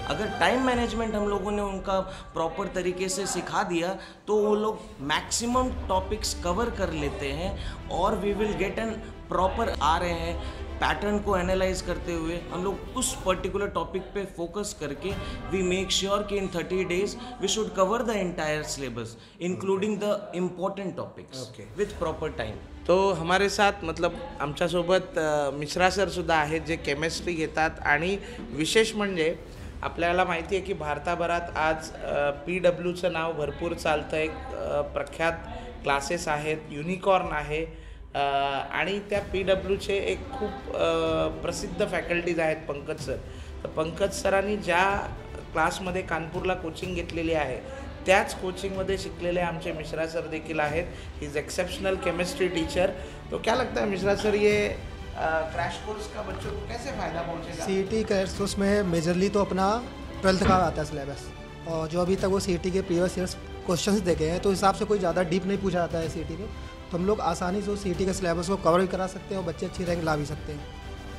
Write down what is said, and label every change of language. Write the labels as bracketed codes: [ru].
[hi] अगर time management हम लोगों ने उनका प्रॉपर तरीके से सिखा दिया तो वो लोग मैक्सिमम टॉपिक्स कवर कर लेते हैं और [en] we will get an proper [hi] आ रहे हैं पैटर्न को एनालाइज करते हुए हम लोग उस पर्टिकुलर टॉपिक पे फोकस करके [en] we make sure [hi] कि [en] In 30 days we should cover the entire syllabus including the important topics with proper time. [hi] तो हमारे साथ मतलब [mr] आमच्या सोबत मिश्रा सर सुद्धा आहेत जे केमिस्ट्री घेतात, आणि विशेष म्हणजे आपल्याला माहिती आहे की भारताभरात आज PW नाव भरपूर चालतं, एक प्रख्यात क्लासेस आहेत, युनिकॉर्न आहे, आणि त्या PW एक खूप प्रसिद्ध फॅकल्टीज आहेत पंकज सर। तर पंकज सरांनी ज्या क्लासमध्ये कानपूरला कोचिंग घेतलेली आहे त्याच कोचिंगमध्ये शिकलेले आमचे मिश्रा सर देखील आहेत, [en] He is exceptional chemistry teacher. [hi] तो क्या लगता है मिश्रा सर, ये क्रैश कोर्स का बच्चों को कैसे फ़ायदा पहुँचेगा? सी ई टी कोर्स, उसमें मेजरली तो अपना 12th का आता है सिलेबस, और जो अभी तक वो सी ई टी के प्रीवियस ईयर्स क्वेश्चन देखे हैं तो हिसाब से कोई ज़्यादा डीप नहीं पूछा जाता है सी ई टी में, तो हम लोग आसानी से उस सी टी का सिलेबस को कवर भी करा सकते हैं और बच्चे अच्छी रैंक ला भी सकते हैं।